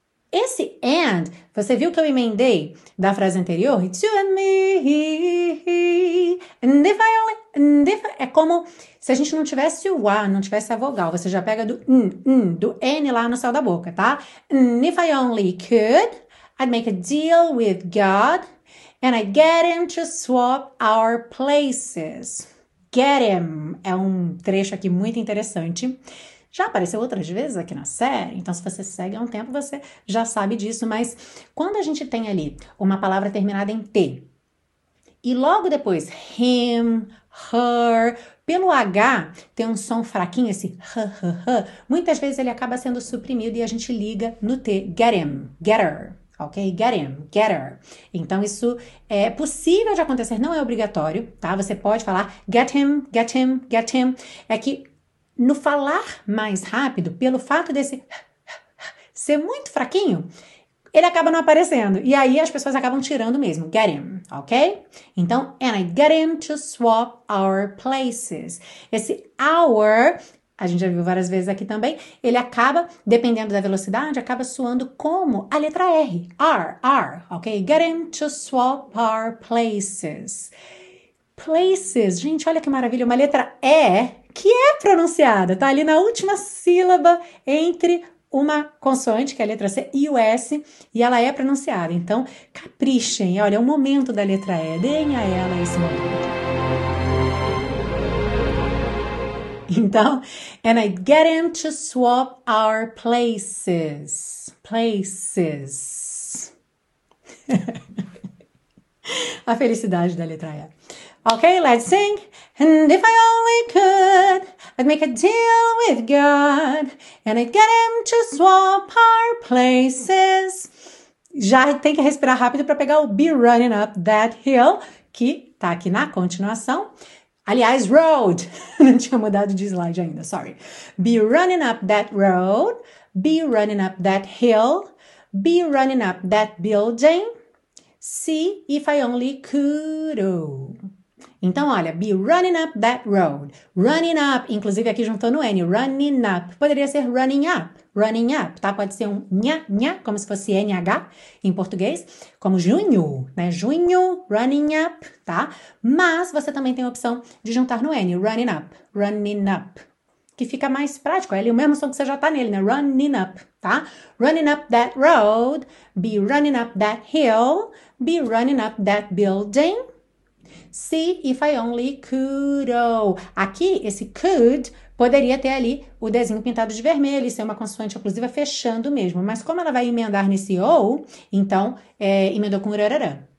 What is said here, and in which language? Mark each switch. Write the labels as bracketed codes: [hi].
[pt] Esse and, você viu que eu emendei da frase anterior? [en] It's you and me. And if I [pt] only, and if I, é como se a gente não tivesse o A, não tivesse a vogal. Você já pega do do N lá no céu da boca, tá? [en] And if I only could, I'd make a deal with God and I'd get him to swap our places. [pt] Get him é um trecho aqui muito interessante. Já apareceu outras vezes aqui na série, então se você segue há um tempo, você já sabe disso, mas quando a gente tem ali uma palavra terminada em T e logo depois him, her, pelo H tem um som fraquinho, esse h, muitas vezes ele acaba sendo suprimido e a gente liga no T, [en] get him, get her. [pt] Ok? [en] Get him, get her. [pt] Então, isso é possível de acontecer, não é obrigatório, tá? Você pode falar [en] get him, get him, get him. [pt] É que no falar mais rápido, pelo fato desse ser muito fraquinho, ele acaba não aparecendo. E aí, as pessoas acabam tirando mesmo. [en] Get him, ok? [pt] Então, [en] and I get him to swap our places. [pt] Esse our, a gente já viu várias vezes aqui também, ele acaba, dependendo da velocidade, acaba soando como a letra R. R, R, ok? [en] Get him to swap our places. [pt] Places, gente, olha que maravilha, uma letra E que é pronunciada, tá ali na última sílaba entre uma consoante, que é a letra C, e o S, e ela é pronunciada. Então, caprichem, olha, é o momento da letra E, deem a ela esse momento. Então, [en] and I get him to swap our places. Places. [pt] A felicidade da letra E. [en] Okay, let's sing. And if I only could, I'd make a deal with God. And I'd get him to swap our places. [pt] Já tem que respirar rápido para pegar o Be Running Up That Hill, que tá aqui na continuação. Aliás, road. Não tinha mudado de slide ainda, sorry. [en] Be running up that road. Be running up that hill. Be running up that building. See if I only could. [pt] Então, olha, [en] be running up that road. Running up, [pt] inclusive aqui juntou no N. Running up. Poderia ser running up. Running up, tá? Pode ser um nha, nha, como se fosse NH em português. Como junho, né? Junho, [en] running up, [pt] tá? Mas você também tem a opção de juntar no N. [en] Running up, [pt] que fica mais prático. É ali o mesmo som que você já tá nele, né? [en] Running up, tá? Running up that road. Be running up that hill. Be running up that building. See if I only could. [pt] Aqui, esse could poderia ter ali o desenho pintado de vermelho e ser uma consoante oclusiva fechando mesmo. Mas como ela vai emendar nesse ou, então emendou com rarará.